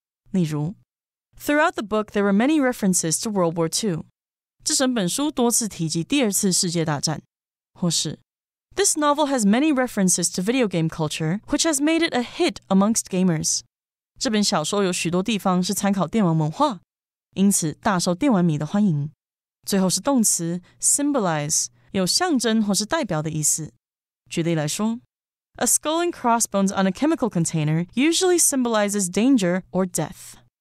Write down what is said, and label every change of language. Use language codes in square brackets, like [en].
[zh] 例如 [en] ，Throughout the book, there were many references to World War II. [zh] 这整本书多次提及第二次世界大战。或是 [en] ，This novel has many references to video game culture, which has made it a hit amongst gamers. [zh] 这本小说有许多地方是参考电玩文化，因此大受电玩迷的欢迎。最后是动词 symbolize， 有象征或是代表的意思。举例来说 [en] ，A skull and crossbones on a chemical container usually symbolizes danger or death。